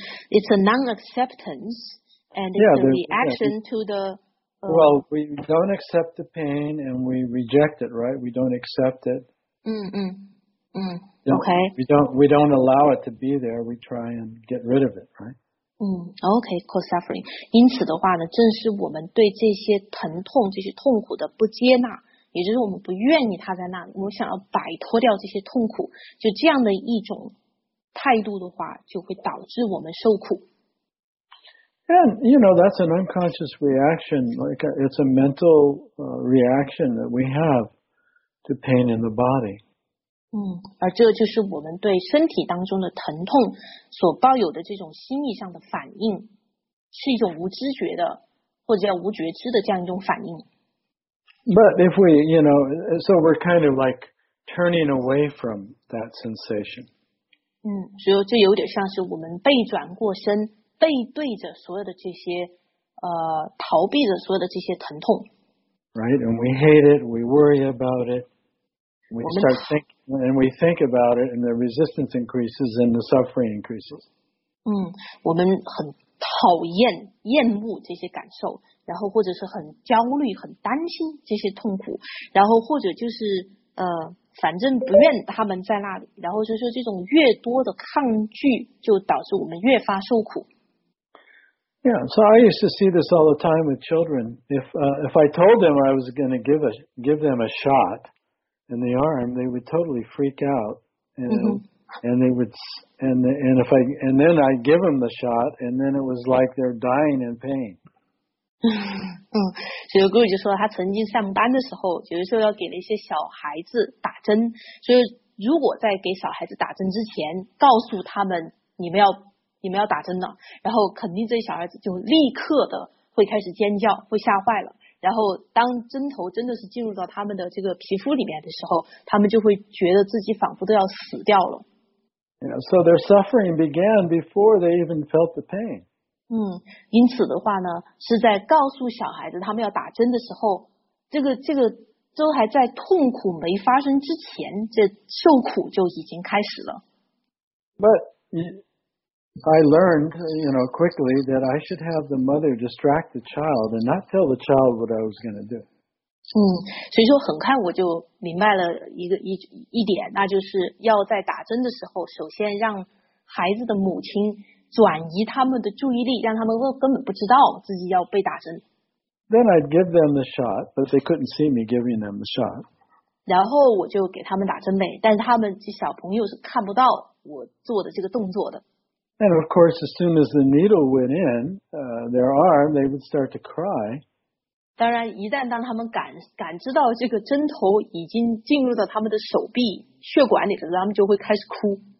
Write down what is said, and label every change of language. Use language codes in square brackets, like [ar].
[en] It's a non-acceptance and the reaction to the... Well, we don't accept the pain and we reject it, right? We don't accept it. Okay. We don't allow it to be there. We try and get rid of it, right? Called suffering. [zh] 因此的话呢，正是我们对这些疼痛、这些痛苦的不接纳，也就是我们不愿意它在那里，我们想要摆脱掉这些痛苦，就这样的一种态度的话，就会导致我们受苦。 [en] And, you know, that's an unconscious reaction. Like, it's a mental reaction that we have to pain in the body. [zh] 而这就是我们对身体当中的疼痛所抱有的这种心意上的反应，是一种无知觉的，或者叫无觉知的这样一种反应。 [en] But if we, you know, so we're kind of like turning away from that sensation. [zh] 所以这有点像是我们背转过身，背对着所有的这些，逃避着所有的这些疼痛。 [en] Right, and we hate it, we worry about it. We start thinking, and we think about it, and the resistance increases, and the suffering increases. [zh] 我们很讨厌、厌恶这些感受，然后或者是很焦虑、很担心这些痛苦，然后或者就是反正不愿他们在那里，然后就是这种越多的抗拒，就导致我们越发受苦。 [en] Yeah, so I used to see this all the time with children. If I told them I was going to give them a shot.In the arm, they would totally freak out And they would, and if I, and then I'd give them the shot, and then it was like they're dying in pain. [zh] 嗯，所以 Guru 就说他曾经上班的时候，有的时候要给那些小孩子打针，所以如果在给小孩子打针之前，告诉他们你们要打针了，然后肯定这小孩子就立刻的会开始尖叫，会吓坏了。然后当针头真的是进入到他们的这个皮肤里面的时候，他们就会觉得自己仿佛都要死掉了。 [en] Yeah, so their suffering began before they even felt the pain. [zh] 嗯，因此的话呢，是在告诉小孩子他们要打针的时候，这个都还在痛苦没发生之前，这受苦就已经开始了。 [en] But I learned, you know, quickly that I should have the mother distract the child and not tell the child what I was going to do. [zh] 嗯，所以说很快我就明白了一点，那就是要在打针的时候，首先让孩子的母亲转移他们的注意力，让他们根本不知道自己要被打针。 [en] Then I'd give them the shot, but they couldn't see me giving them the shot. [zh] 然后我就给他们打针呗，但是他们这小朋友是看不到我做的这个动作的。 [en] And of course, as soon as the needle went in, their arm, they would start to cry. [zh] 当然，一旦当他们感知到这个针头已经进入到他们的手臂血管里了，他们就会开始哭。